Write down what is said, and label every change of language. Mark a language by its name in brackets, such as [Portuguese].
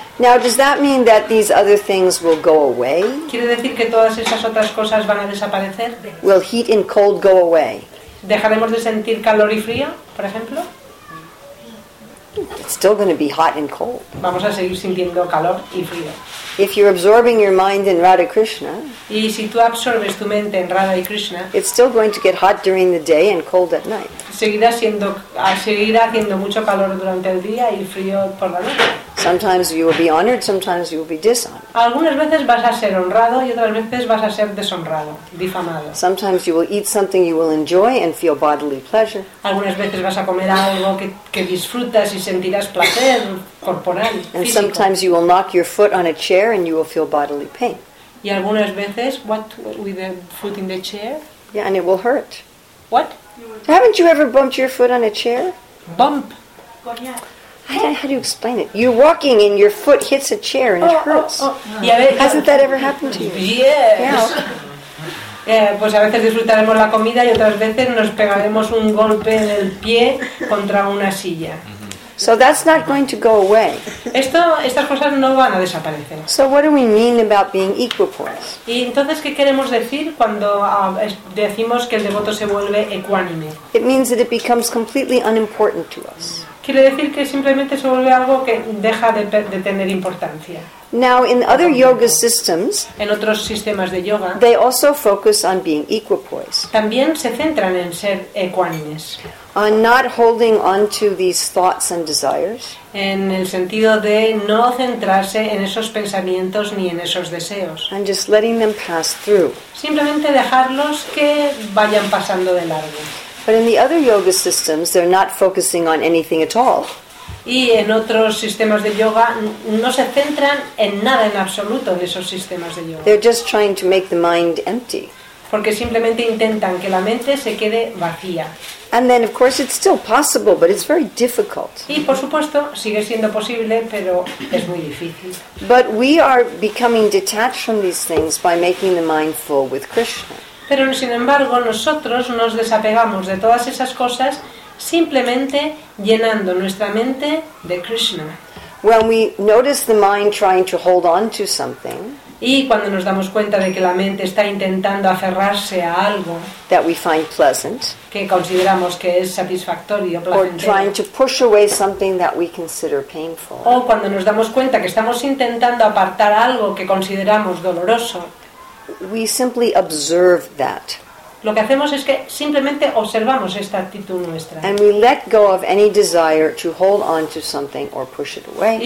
[English] Now, does that mean that these other things will go away? [Spanish] ¿Quiere decir que todas esas otras cosas van a desaparecer? [English] Will heat and cold go away? [Spanish] ¿Dejaremos de sentir calor y frío, por ejemplo? [English] It's still going to be hot and cold. [Spanish] Vamos a seguir sintiendo calor y frío. [English] If you're absorbing your mind in Radha Krishna, [Spanish] y si tú absorbes tu mente en Radha y Krishna, [English] it's still going to get hot during the day and cold at night. [Spanish] Seguirá haciendo mucho calor durante el día y frío por la noche. [English] Sometimes you will be honored, sometimes you will be dishonored. [Spanish] Algunas veces vas a ser honrado y otras veces vas a ser deshonrado, difamado. [English] Sometimes you will eat something you will enjoy and feel bodily pleasure. [Spanish] Algunas veces vas a comer algo que disfrutas y sentirás placer corporal, físico. [English] And sometimes you will knock your foot on a chair and you will feel bodily pain. [Spanish] Y algunas veces, [English] what with the foot in the chair? Yeah, and it will hurt. What? Haven't you ever bumped your foot on a chair? Bump. I don't know how to explain it. You're walking and your foot hits a chair and it hurts. Hasn't that ever happened to you? Yes. [Spanish] Pues a veces disfrutaremos la comida y otras veces nos pegaremos un golpe en el pie contra una silla. [English] So that's not going to go away. [Spanish] Estas cosas no van a desaparecer. [English] So what do we mean about being equipoise? [Spanish] ¿Y entonces qué queremos decir cuando decimos que el devoto se vuelve ecuánime? [English] It means that it becomes completely unimportant to us. [Spanish] Quiere decir que simplemente se vuelve algo que deja de tener importancia. [English] Now, in other yoga systems, [Spanish] en otros sistemas de yoga, [English] they also focus on being equipoise. [Spanish] También se centran en ser ecuánimes. [English] On not holding on to these thoughts and desires. [Spanish] En el sentido de no centrarse en esos pensamientos ni en esos deseos. [English] And just letting them pass through. [Spanish] Simplemente dejarlos que vayan pasando de largo. [English] But in the other yoga systems, they're not focusing on anything at all. [Spanish] Y en otros sistemas de yoga no se centran en nada en absoluto en esos sistemas de yoga. [English] They're just trying to make the mind empty. [Spanish] Porque simplemente intentan que la mente se quede vacía. [English] And then, of course, it's still possible, but it's very difficult. [Spanish] Y por supuesto sigue siendo posible, pero es muy difícil. [English] But we are becoming detached from these things by making the mind full with Krishna. [Spanish] Pero sin embargo nosotros nos desapegamos de todas esas cosas simplemente llenando nuestra mente de Krishna. [English] When we notice the mind trying to hold on to something, [Spanish] y cuando nos damos cuenta de que la mente está intentando aferrarse a algo [English] that we find pleasant, [Spanish] que consideramos que es satisfactorio, [English] or trying to push away something that we consider painful, [Spanish] o cuando nos damos cuenta que estamos intentando apartar algo que consideramos doloroso, [English] we simply observe that. [Spanish] Lo que hacemos es que simplemente observamos esta actitud nuestra. [English] And we let go of any desire to hold on to something or push it away.